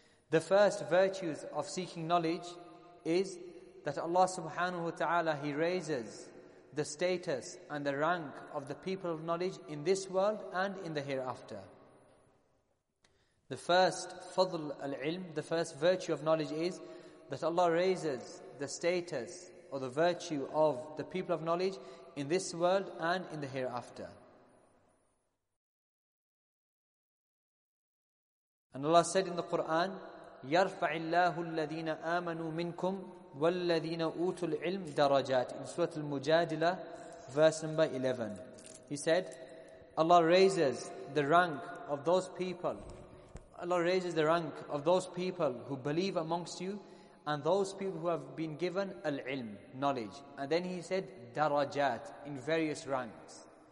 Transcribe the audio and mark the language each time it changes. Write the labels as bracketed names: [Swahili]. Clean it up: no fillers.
[English] The first virtues of seeking knowledge is that Allah subhanahu wa ta'ala, He raises the status and the rank of the people of knowledge in this world and in the hereafter. The first fadl al-ilm, the first virtue of knowledge, is that Allah raises the status or the virtue of the people of knowledge in this world and in the hereafter. And Allah said in the Quran, [Arabic] يَرْفَعِ اللَّهُ الَّذِينَ آمَنُوا مِنْكُمْ وَالَّذِينَ أُوتُوا الْعِلْمِ دَرَجَاتِ. [English] In Surah Al-Mujadilah, verse number 11. He said, Allah raises the rank of those people. Allah raises the rank of those people who believe amongst you, and those people who have been given al-ilm, knowledge. And then he said, darajat, in various ranks.